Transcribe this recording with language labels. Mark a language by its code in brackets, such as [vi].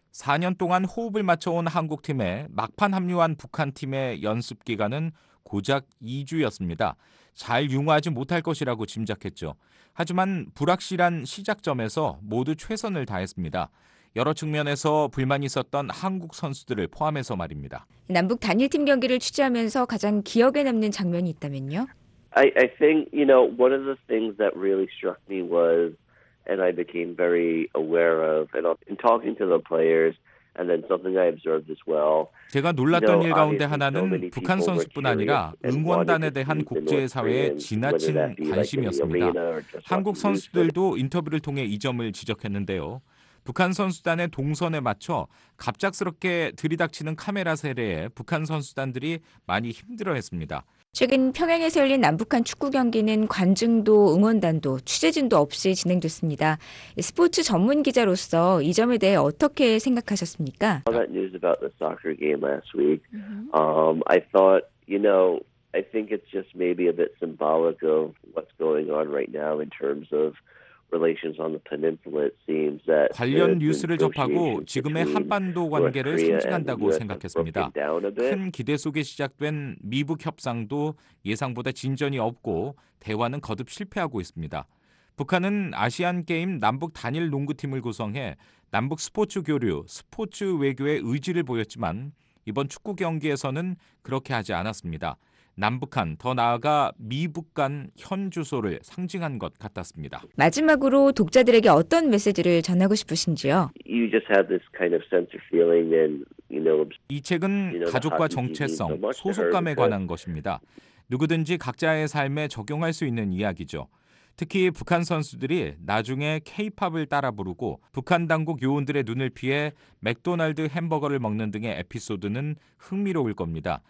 [ko] 4년 동안 호흡을 맞춰온 한국팀에 막판 합류한 북한팀의 연습 기간은 고작 2주였습니다. 잘 융화하지 못할 것이라고 짐작했죠. 하지만 불확실한 시작점에서 모두 최선을 다했습니다. 여러 측면에서 불만이 있었던 한국 선수들을 포함해서 말입니다. 남북 단일팀 경기를 취재하면서 가장 기억에 남는 장면이 있다면요? [en] I think, you know, one of the things that really struck me was, and I became very aware of, and in talking to the players, and then something I observed as well. [ko] 제가 놀랐던 일 가운데 하나는 북한 선수뿐 아니라 응원단에 대한 국제사회의 지나친 관심이었습니다. 한국 선수들도 인터뷰를 통해 이 점을 지적했는데요. 북한 선수단의 동선에 맞춰 갑작스럽게 들이닥치는 카메라 세례에 북한 선수단들이 많이 힘들어했습니다. 최근 평양에서 열린 남북한 축구 경기는 관중도 응원단도 취재진도 없이 진행됐습니다. 스포츠 전문 기자로서 이 점에 대해 어떻게 생각하셨습니까? [en] All that news about the soccer game last week. I thought, you know, I think it's just maybe a bit symbolic of what's going on right now in terms of relations on the peninsula. It seems that [ko] 관련 뉴스를 접하고 지금의 한반도 관계를 상징한다고 생각했습니다. 큰 기대 속에 시작된 미북 협상도 예상보다 진전이 없고 대화는 거듭 실패하고 있습니다. 북한은 아시안 게임 남북 단일 농구팀을 구성해 남북 스포츠 교류, 스포츠 외교에 의지를 보였지만 이번 축구 경기에서는 그렇게 하지 않았습니다. 남북한, 더 나아가 미북 간 현 주소를 상징한 것 같았습니다. 마지막으로 독자들에게 어떤 메시지를 전하고 싶으신지요? [en] You just have this kind of sense of feeling and, you know, [ko] 이 책은 가족과 정체성, 소속감에 관한 것입니다. 누구든지 각자의 삶에 적용할 수 있는 이야기죠. 특히 북한 선수들이 나중에 K-POP을 따라 부르고 북한 당국 요원들의 눈을 피해 맥도날드 햄버거를 먹는 등의 에피소드는 흥미로울 겁니다.